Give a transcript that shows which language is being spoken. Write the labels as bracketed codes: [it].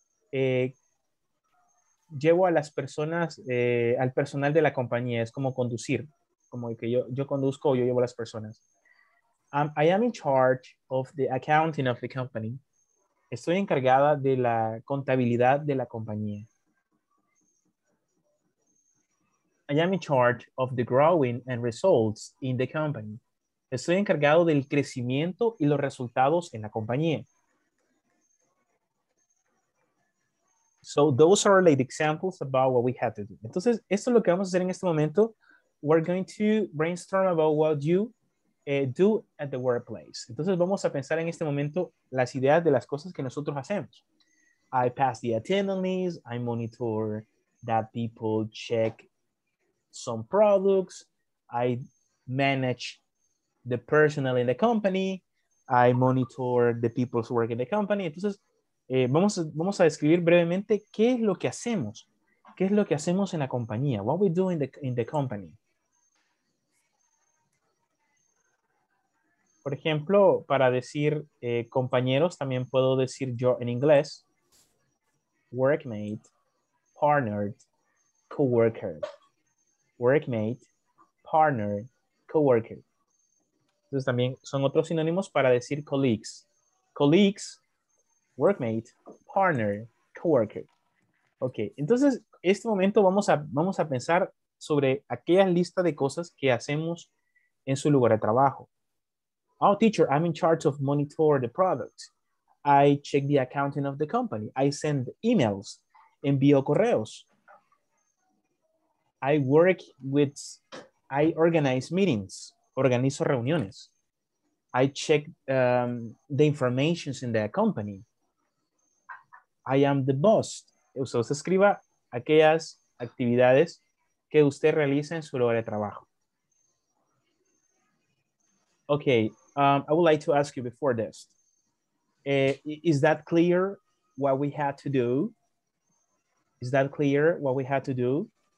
[es] Llevo a las personas, al personal de la compañía. Es como conducir. Como que yo conduzco o yo llevo a las personas. [en] I am in charge of the accounting of the company. [es] Estoy encargada de la contabilidad de la compañía. [en] I am in charge of the growing and results in the company. [es] Estoy encargado del crecimiento y los resultados en la compañía. [en] So those are like examples about what we had to do. [es] Entonces, esto es lo que vamos a hacer en este momento. [en] We're going to brainstorm about what you do at the workplace. [es] Entonces, vamos a pensar en este momento las ideas de las cosas que nosotros hacemos. [en] I pass the attendance list. I monitor that people check some products. I manage the personnel in the company. I monitor the people's work in the company. [es] Entonces, vamos a describir brevemente qué es lo que hacemos. ¿Qué es lo que hacemos en la compañía? [en] What we do in the company. [es] Por ejemplo, para decir compañeros, también puedo decir yo en inglés. [en] Workmate, partner, coworker. Workmate, partner, coworker. [es] Entonces también son otros sinónimos para decir colleagues. [en] Colleagues, workmate, partner, coworker. [es] Ok, entonces este momento vamos a pensar sobre aquella lista de cosas que hacemos en su lugar de trabajo. [en] Oh, teacher, I'm in charge of monitor the product. I check the accounting of the company. I send emails, [es] envío correos. [en] I work with, I organize meetings. [es] Organizo reuniones. [en] I check the information in the company. I am the boss. [es] Usted escriba aquellas actividades que usted realiza en su lugar de trabajo. [en] Okay, I would like to ask you before this. Is that clear what we had to do? Is that clear what we had to do?